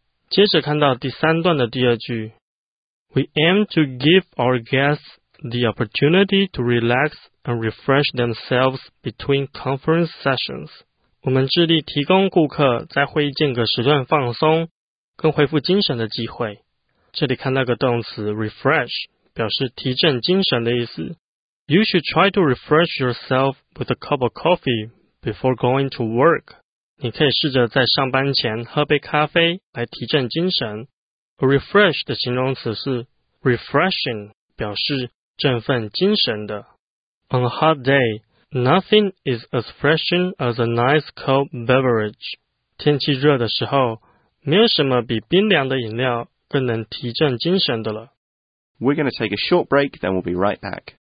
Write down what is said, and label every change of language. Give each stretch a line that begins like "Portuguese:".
Chinese: 接着看到第三段的第二句，
English: We aim to give our guests the opportunity to relax and refresh themselves between conference sessions.
Chinese: 我们致力提供顾客在会议间隔时段放松跟恢复精神的机会。这里看到个动词 refresh， 表示提振精神的意思。
English: You should try to refresh yourself with a cup of coffee before going to work.
Chinese: 你可以试着在上班前喝杯咖啡来提振精神。 Refresh 的形容词是 refreshing， 表示振奋精神的。
English: On a hot day, nothing is as refreshing as a nice cold beverage.
Chinese: 天气热的时候，没有什么比冰凉的饮料更能提振精神的了。
English: We're going to take a short break, then we'll be right back.